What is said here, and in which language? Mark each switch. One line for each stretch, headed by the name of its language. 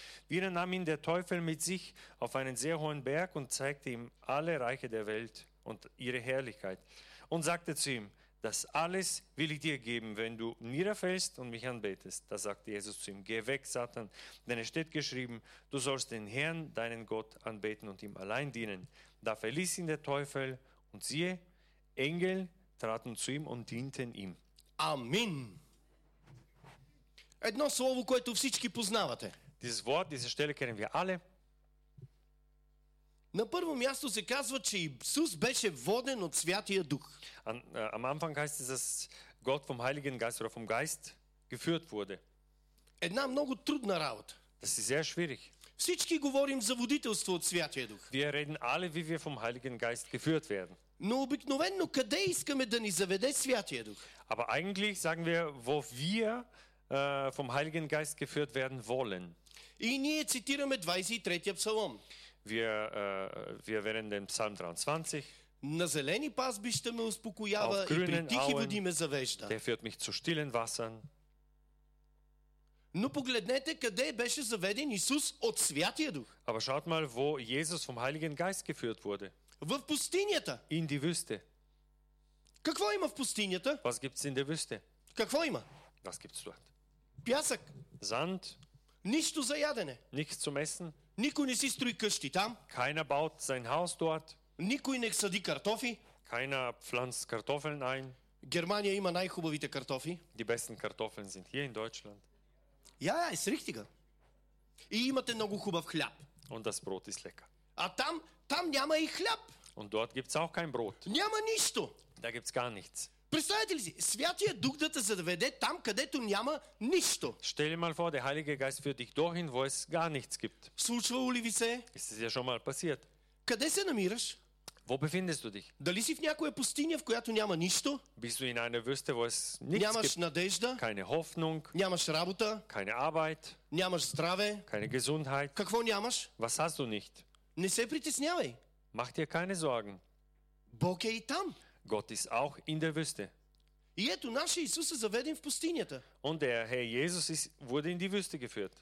German: Wieder nahm ihn der Teufel mit sich auf einen sehr hohen Berg und zeigte ihm alle Reiche der Welt und ihre Herrlichkeit und sagte zu ihm, das alles will ich dir geben, wenn du niederfällst und mich anbetest. Da sagte Jesus zu ihm, geh weg, Satan, denn es steht geschrieben, du sollst den Herrn, deinen Gott, anbeten und ihm allein dienen. Da verließ ihn der Teufel und siehe, Engel traten zu ihm und dienten ihm. Amen.
Bulgarian: Едно слово, което всички познавате.
German: Dieses Wort, diese Stelle kennen wir alle.
Bulgarian: На първо място се казва, че Исус беше воден от Святия Дух.
German: Am Anfang heißt es, dass Gott vom Heiligen Geist oder vom Geist geführt wurde.
Bulgarian: Една много трудна работа.
German: Das ist sehr schwierig.
Bulgarian: Всички говорим за водителство от Святия Дух.
German: Wir reden alle, wie wir vom Heiligen Geist geführt werden.
Bulgarian: Но обикновено къде искаме да ни заведе Святия Дух?
German: Aber eigentlich sagen wir, wo wir vom Heiligen Geist geführt werden wollen.
Bulgarian: И ние цитираме 23-я псалом.
German: Wir werden den Psalm 23.
Bulgarian: На зелени пазбища ме успокоява и при тихи води ме завежда.
German: Der führt mich zu stillen Wassern.
Bulgarian: Но погледнете къде беше заведен Исус от Святия Дух.
German: Aber schaut mal, wo Jesus vom Heiligen Geist geführt wurde.
Bulgarian: В пустинята.
German: In die Wüste.
Bulgarian: Какво има в пустинята?
German: Was gibt's in der Wüste?
Bulgarian: Какво има?
German: Was gibt's dort?
Bulgarian: Пясък.
German: Sand.
Bulgarian: Нищо за ядене.
German: Nichts zum Essen.
Bulgarian: Никой не си строи къщи там.
German: Keiner baut sein Haus dort.
Bulgarian: Никой не сади картофи.
German: Keiner pflanzt Kartoffeln ein.
Bulgarian: Германия има най-хубавите картофи.
German: Die besten Kartoffeln sind hier in Deutschland. Ja, ist richtig.
Bulgarian: И имате много хубав хляб.
German: Und das Brot ist lecker.
Bulgarian: А там, там няма и хляб.
German: Und dort gibt's auch kein Brot.
Bulgarian: Няма нищо.
German: Da gibt's gar nichts.
Bulgarian: Представете ли си, Святия Дух да те заведе там, където няма нищо.
German: Stell dir mal vor, der Heilige Geist führt dich dorthin, wo es gar nichts gibt.
Bulgarian: Случвало ли ви се?
German: Ist es ja schon mal passiert.
Bulgarian: Къде се намираш?
German: Wo befindest du dich?
Bulgarian: Дали си в някоя пустиня, в която няма нищо?
German: Bist du in einer Wüste, wo es nichts gibt?
Bulgarian: Нямаш надежда?
German: Keine Hoffnung?
Bulgarian: Нямаш работа?
German: Keine Arbeit?
Bulgarian: Нямаш здраве?
German: Keine Gesundheit?
Bulgarian: Какво нямаш?
German: Was hast du nicht?
Bulgarian: Не се притеснявай.
German: Mach dir keine Sorgen.
Bulgarian: Бог е и там.
German: Gott ist auch in der Wüste.
Bulgarian: И ето, нашия Исус е заведен в пустинята.
German: Und der Herr Jesus wurde in die Wüste geführt.